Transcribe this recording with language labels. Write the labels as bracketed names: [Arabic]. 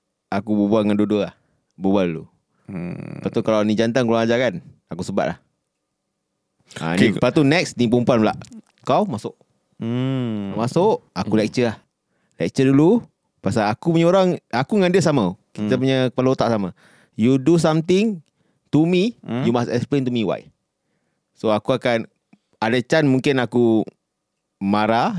[Malay] Aku berbual dengan dua-dua lah. Berbual dulu. Lepas tu kalau ni jantan kurang ajar kan? Aku sebat lah. Okay. Lepas tu next, ni perempuan pula. Kau masuk. Masuk, aku lecture lah. Lecture dulu. Pasal aku punya orang, aku dengan dia sama. Kita punya kepala otak sama. [English] You do something to me, you must explain to me why. [Malay] So aku akan, ada chance mungkin aku marah.